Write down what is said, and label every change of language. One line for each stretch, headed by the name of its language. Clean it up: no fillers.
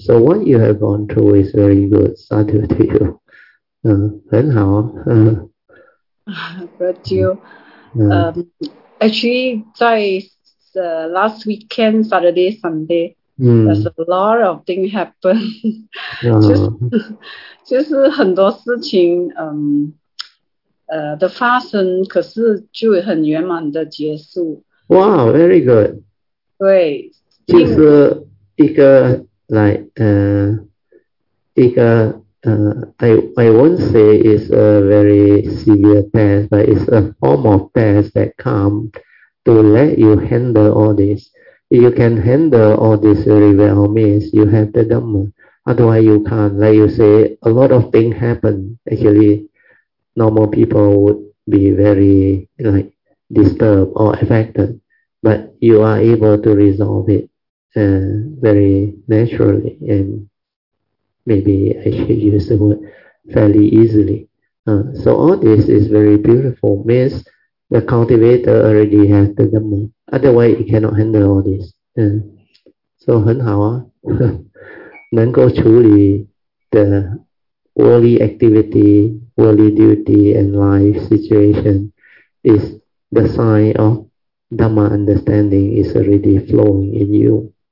English: So what you have gone through is very good. Sadhu to you.
Chinese: 很好。
English: But you, actually, 在 last weekend, Saturday, Sunday, there's a lot of things happen.
Chinese: 就是很多事情，的发生，可是就很圆满的结束。
English: 哇、wow, ，very good。
Chinese: 对，就是一个
English: I won't say it's a very severe test, but it's a form of test that come to let you handle all this. You can handle all this very well means you have the Dhamma. Otherwise, you can't. Like you say, a lot of things happen actually. Normal people would be very like disturbed or affected, but you are able to resolve it very naturally and maybe I should use the word fairly easily. So all this is very beautiful. Means the cultivator already has the Dhamma. Otherwise, he cannot handle all this.
Chinese: So 很好啊，能够处理的。
English: Worldly activity, worldly duty and life situation is the sign of Dhamma understanding is already flowing in you.